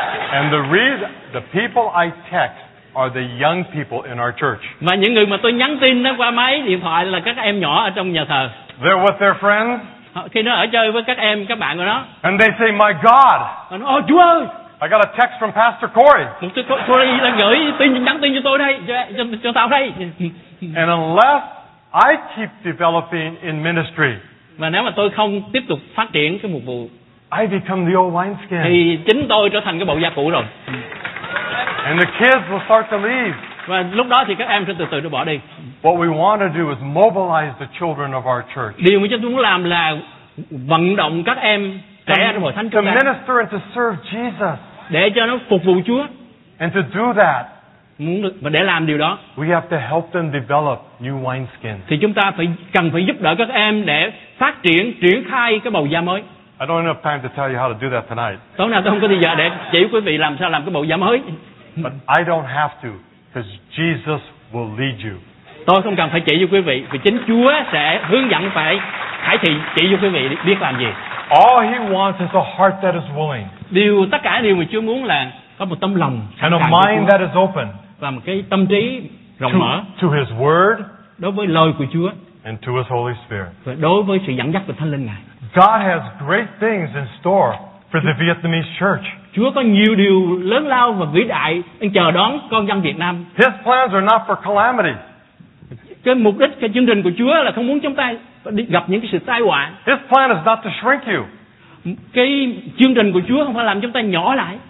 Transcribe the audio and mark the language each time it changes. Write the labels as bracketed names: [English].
[English] And the people I text are the young people in our church. [Vietnamese] Mà những người mà tôi nhắn tin nó qua máy điện thoại là các em nhỏ ở trong nhà thờ. [English] They're with their friends. [Vietnamese] Khi nó ở chơi với các em, các bạn của nó. [English] And they say, "My God." [Vietnamese] Nói, oh, Chúa ơi. [English] I got a text from Pastor Corey. [Vietnamese] Một tôi Corey là gửi tin nhắn tin cho tôi đây, cho tao đây. [English] And unless I keep developing in ministry. [Vietnamese] Mà nếu mà tôi không tiếp tục phát triển cái mục vụ. [English] I become the old wineskin. [Vietnamese] Thì chính tôi trở thành cái bộ da cũ rồi. [English] And the kids will start to leave. [Vietnamese] Và lúc đó thì các em sẽ từ từ nó bỏ đi. [English] What we want to do is mobilize the children of our church. [Vietnamese] Điều mà chúng tôi muốn làm là vận động các em trẻ trong hội thánh chúng ta. [English] To minister and to serve Jesus. [Vietnamese] Để cho nó phục vụ Chúa. [English] And to do that. [Vietnamese] Và để làm điều đó. [English] We have to help them develop new wineskins. [Vietnamese] Thì chúng ta cần phải giúp đỡ các em để phát triển, triển khai cái bầu da mới. [English] I don't have time to tell you how to do that tonight. [Vietnamese] Tối nay tôi không có thời gian để chỉ quý vị làm sao làm cái bầu da mới. [English] But I don't have to, because Jesus will lead you. [Vietnamese] Tôi không cần phải chỉ cho quý vị, vì chính Chúa sẽ hướng dẫn phải khải thị chỉ cho quý vị biết làm gì. [English] All he wants is a heart that is willing. [Vietnamese] Điều tất cả điều mà Chúa muốn là có một tâm lòng [English] and a mind that is open [Vietnamese] và một cái tâm trí rộng mở [English] to his word [Vietnamese] đối với lời của Chúa [English] and to his Holy Spirit [Vietnamese] và đối với sự dẫn dắt của Thánh Linh Ngài. [English] God has great things in store for the Vietnamese church. [Vietnamese] Chúa có nhiều điều lớn lao và vĩ đại đang chờ đón con dân Việt Nam. [English] His plans are not for calamity. [Vietnamese] Cái mục đích cái chương trình của Chúa là không muốn chúng ta gặp những cái sự tai họa. [English] His plan is not to shrink you. [Vietnamese] cái chương trình của Chúa không phải làm chúng ta nhỏ lại.